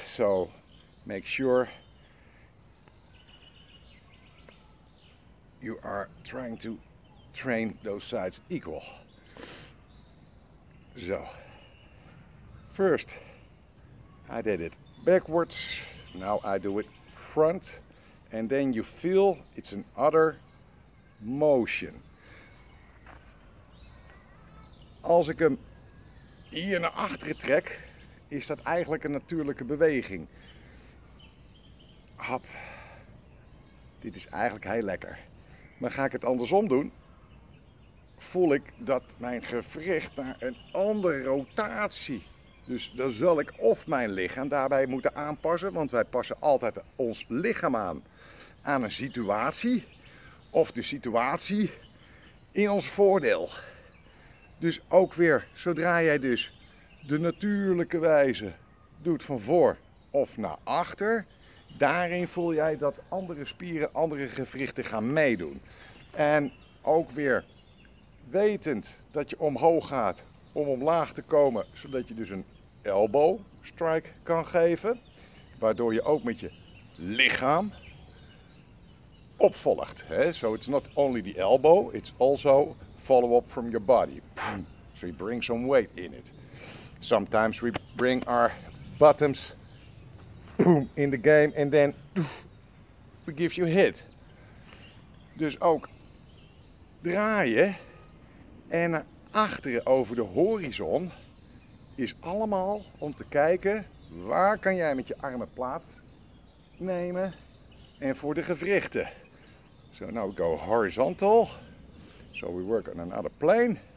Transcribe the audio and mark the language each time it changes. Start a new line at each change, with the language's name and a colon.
English: So make sure you are trying to train those sides equal. So, first I did it backwards Now I do it front, and then you feel it's an other motion.
Dutch: Als ik hem hier naar achteren trek, is dat eigenlijk een natuurlijke beweging. Hap. Dit is eigenlijk heel lekker. Maar ga ik het andersom doen, voel ik dat mijn gewricht naar een andere rotatie. Dus dan zal ik of mijn lichaam daarbij moeten aanpassen, want wij passen altijd ons lichaam aan aan een situatie, of de situatie in ons voordeel. Dus ook weer, zodra jij dus de natuurlijke wijze doet van voor of naar achter, daarin voel jij dat andere spieren, andere gewrichten gaan meedoen. En ook weer wetend dat je omhoog gaat om omlaag te komen, zodat je dus een elbow strike kan geven, waardoor je ook met je lichaam opvolgt. Hè?
English: So it's not only the elbow, it's also follow-up from your body. So you bring some weight in it. Sometimes we bring our bottoms boom, in the game and then we give you a hit.
Dutch: Dus ook draaien en naar achteren over de horizon is allemaal om te kijken waar kan jij met je armen plaats nemen en voor de gewrichten.
English: So now we go horizontal. So we work on another plane.